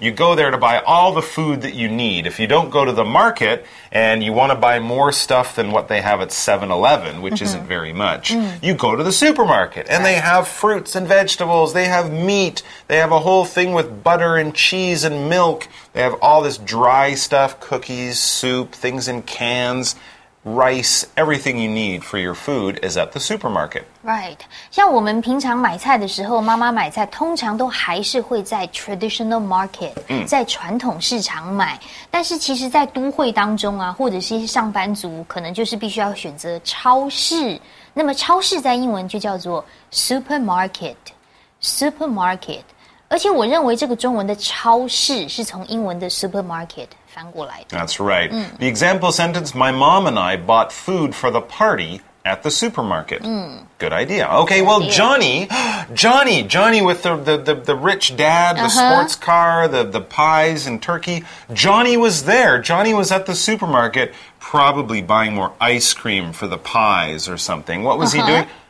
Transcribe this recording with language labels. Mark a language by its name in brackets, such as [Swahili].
[English] You go there to buy all the food that you need. If you don't go to the market and you want to buy more stuff than what they have at 7-Eleven, which isn't very much, you go to the supermarket. And they have fruits and vegetables. They have meat. They have a whole thing with butter and cheese and milk. They have all this dry stuff, cookies, soup, things in cans, rice, everything you need for your food is at the supermarket. Right. [Chinese] 像我们平常买菜的时候，妈妈买菜通常都还是会在 traditional market, 在传统市场买。但是其实在都会当中啊，或者是一些上班族，可能就是必须要选择超市。那么超市在英文就叫做 supermarket, supermarket. 而且我认为这个中文的超市是从英文的 supermarket 翻过来的。 [English] That's right. The example sentence, my mom and I bought food for the party at the supermarket. Good idea. Okay, well, Johnny with the rich dad, the sports car, the pies and turkey, Johnny was there. Johnny was at the supermarket, probably buying more ice cream for the pies or something. What was he doing?